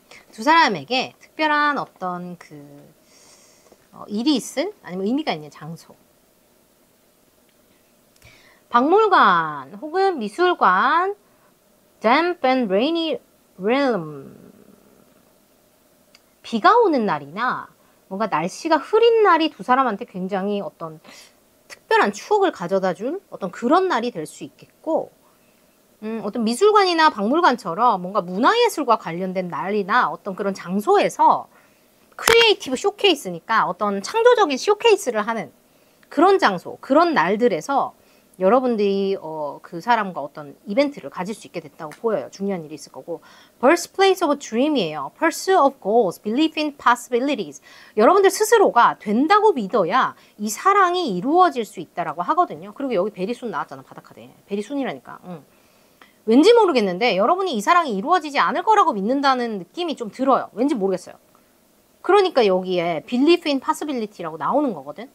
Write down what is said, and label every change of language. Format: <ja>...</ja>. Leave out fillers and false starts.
<ko>두 사람에게 특별한 어떤 그 일이 있을? 아니면 의미가 있는 장소. 박물관 혹은 미술관</ko> <en>Damp and Rainy Realm.</en> <ko>비가 오는 날이나 뭔가 날씨가 흐린 날이 두 사람한테 굉장히 어떤 특별한 추억을 가져다 준 어떤 그런 날이 될 수 있겠고, 어떤 미술관이나 박물관처럼 뭔가 문화예술과 관련된 날이나 어떤 그런 장소에서 크리에이티브 쇼케이스니까 어떤 창조적인 쇼케이스를 하는 그런 장소, 그런 날들에서 여러분들이 그 사람과 어떤 이벤트를 가질 수 있게 됐다고 보여요. 중요한 일이 있을 거고.</ko> <en>Birthplace of a dream이에요. Pursue of goals, belief in possibilities.</en> <ko>여러분들 스스로가 된다고 믿어야 이 사랑이 이루어질 수 있다라고 하거든요. 그리고 여기 베리순 나왔잖아, 바닥카드에. 베리순이라니까. 왠지 모르겠는데 여러분이 이 사랑이 이루어지지 않을 거라고 믿는다는 느낌이 좀 들어요. 왠지 모르겠어요. 그러니까 여기에</ko> <en>belief in possibility</en> <ko>라고 나오는 거거든.</ko>